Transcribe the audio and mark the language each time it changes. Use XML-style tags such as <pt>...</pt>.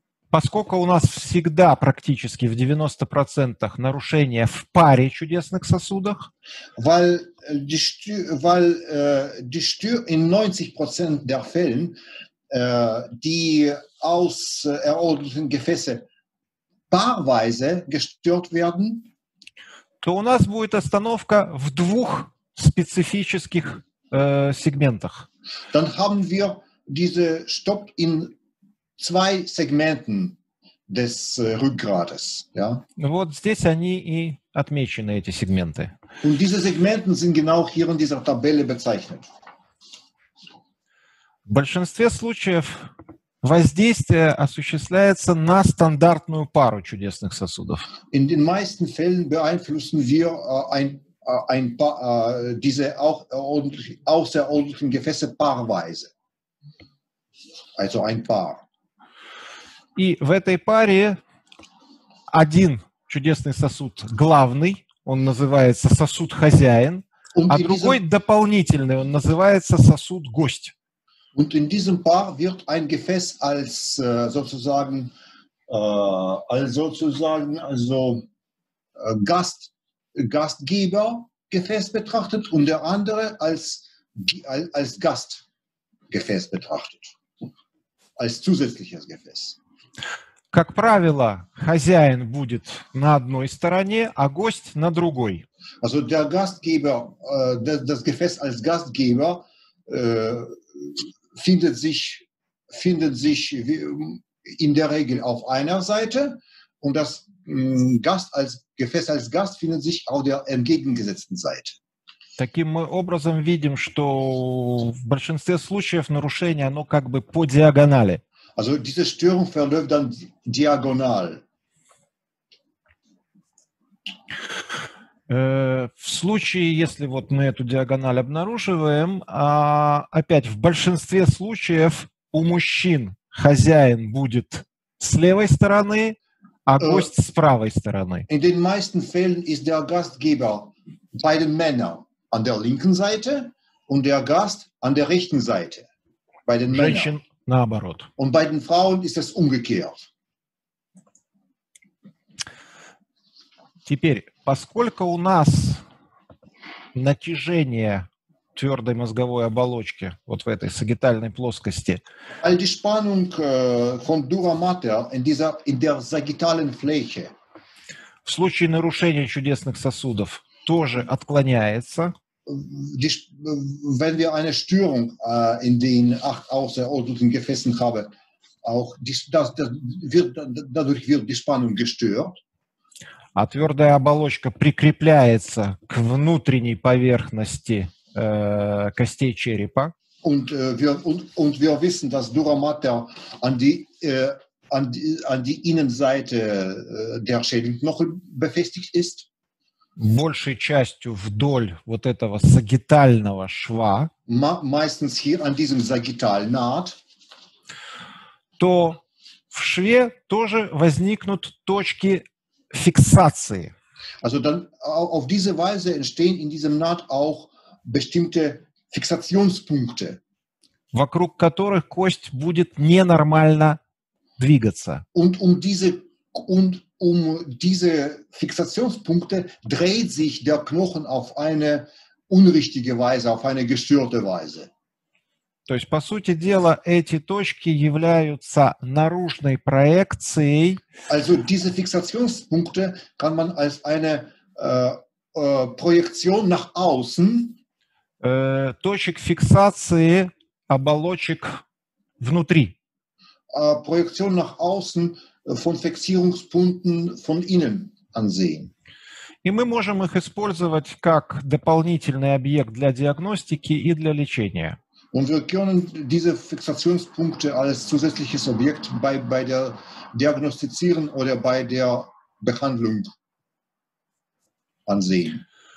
<ru>Поскольку у нас всегда практически в 90% нарушения в паре чудесных сосудах,</ru> <de>in 90% der Fällen die außerordentlichen Gefäße paarweise gestört werden,</de> <ru>то у нас будет остановка в двух специфических сегментах.</ru> <de>Dann haben wir diese Stopp in zwei Segmenten des Rückgrates. Ja?</de> <ru>Вот здесь они и отмечены, эти сегменты.</ru> <de>Und diese Segmente sind genau hier in dieser Tabelle bezeichnet.</de> <ru>В большинстве случаев воздействие осуществляется на стандартную пару чудесных сосудов.</ru> <de>In den meisten Fällen beeinflussen wir ein paar diese auch sehr ordentlichen Gefäße paarweise. Also ein paar.</de> <ru>И в этой паре один чудесный сосуд главный, он называется сосуд хозяин, а другой дополнительный, он называется сосуд гость.</ru> <de>Und in diesem Paar wird ein Gefäß als sozusagen Gastgeber-Gefäß betrachtet und der andere als Gastgefäß betrachtet, als zusätzliches Gefäß.</de> <ru>Как правило, хозяин будет на одной стороне, а гость на другой.</ru> <de>Also der Gastgeber, das Gefäß als Gastgeber findet sich in der Regel auf einer Seite und das Gefäß als Gast findet sich auf der entgegengesetzten Seite.</de> <ru>Таким образом видим, что в большинстве случаев нарушение, оно как бы по диагонали.</ru> <de>Also diese Störung verläuft dann diagonal.</de> <ru>В случае, если вот мы эту диагональ обнаруживаем, опять, в большинстве случаев у мужчин хозяин будет с левой стороны, а гость с правой стороны.</ru> <de>In den meisten Fällen ist der Gastgeber bei den Männern an der linken Seite und der Gast an der rechten Seite. Bei den Männern.</de> <ru>Женщин наоборот.</ru> <de>Und bei den Frauen ist es umgekehrt.</de> <ru>Теперь, поскольку у нас натяжение твердой мозговой оболочки вот в этой сагитальной плоскости,</ru> <de>all die Spannung von dura mater in der sagittalen Fläche,</de> <ru>в случае нарушения чудесных сосудов тоже отклоняется.</ru> <de>Wenn wir eine Störung in den außerordentlichen Gefäßen haben, auch dadurch wird die Spannung gestört.</de> <ru>А твердая оболочка прикрепляется к внутренней поверхности костей черепа.</ru> <de>Und wir wissen, dass dura mater an die Innenseite der Schädelknochen befestigt ist.</de> <ru>Большей частью вдоль вот этого сагитального шва.</ru> <de>Meistens hier an diesem Sagittalnaht.</de> <ru>То в шве тоже возникнут точки фиксации.</ru> <de>Also dann auf diese Weise entstehen in diesem Naht auch bestimmte Fixationspunkte,</de> <ru>вокруг которых кость будет ненормально двигаться.</ru> <de>Und um diese Fixationspunkte dreht sich der Knochen auf eine unrichtige Weise, auf eine gestörte Weise.</de> <ru>То есть, по сути дела, эти точки являются наружной проекцией.</ru> <de>Also diese Fixationspunkte kann man als eine Projektion nach außen.</de> <ru>Точек фиксации оболочек внутри.</ru> <de>Projektion nach außen von Fixierungspunkten von innen ansehen.</de> <ru>И мы можем их использовать как дополнительный объект для диагностики и для лечения.</ru> <de>Und wir können diese Fixationspunkte als zusätzliches Objekt bei der Diagnostizieren oder bei der Behandlung ansehen.</de>